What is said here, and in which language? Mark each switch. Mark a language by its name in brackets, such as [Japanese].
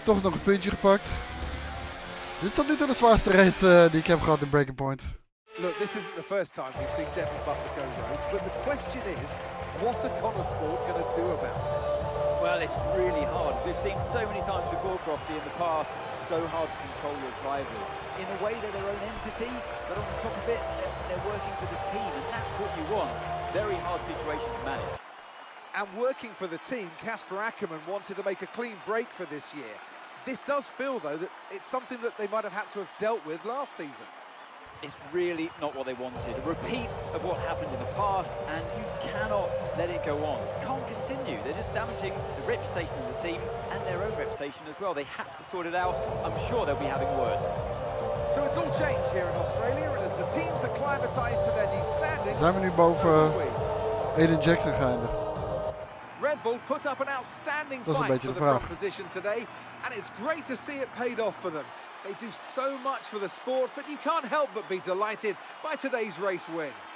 [Dutch] Toch nog een puntje gepakt. Dit is tot nu toe de zwaarste race die ik heb gehad in Breaking Point. [English] Look, this isn't the first time we've seen Devon Butler go rogue, but the question is, what are Konnersport going to do about it? Well, it's really hard. As we've seen so many times before, Crofty, in the past, so hard to control your drivers. In a way, they're their own entity, but on top of it, they're working for the team, and that's what you want. It's a very hard situation to manage. And working for the team, Kasper Ackermann wanted to make a clean break for this year. This does feel, though, that it's something that they might have had to have dealt with last season. It's really not what they wanted. A repeat of what happened in the past, and you cannot let it go on. Can't continue. They're just damaging the reputation of the team and their own reputation as well. They have to sort it out. I'm sure they'll be having words. So it's all changed here in Australia, and as the teams are acclimatized to their new standings... [Dutch] Zijn we nu boven Aiden Jackson geëindigd? [English] Red Bull put up an outstanding fight for the front position today, and it's great to see it paid off for them. They do so much for the sport that you can't help but be delighted by today's race win.